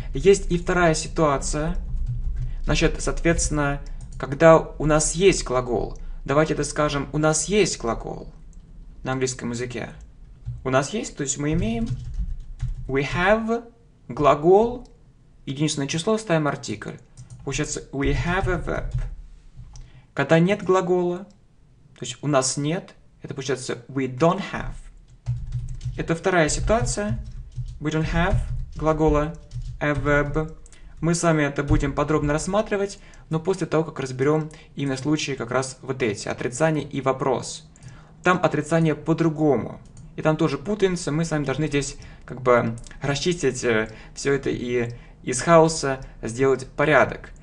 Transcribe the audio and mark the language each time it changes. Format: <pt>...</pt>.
<ru>Есть и вторая ситуация, значит, соответственно, когда у нас есть глагол. Давайте это скажем, у нас есть глагол на английском языке. У нас есть, то есть мы имеем, we have глагол, единственное число, ставим артикль.</ru> <en>Получается, we have a verb.</en> <ru>Когда нет глагола, то есть у нас нет, это получается we don't have. Это вторая ситуация.</ru> <en>We don't have глагола, a verb.</en> <ru>Мы с вами это будем подробно рассматривать, но после того, как разберем именно случаи как раз вот эти, отрицание и вопрос. Там отрицание по-другому. И там тоже путаемся, мы с вами должны здесь как бы расчистить все это и из хаоса сделать порядок.</ru>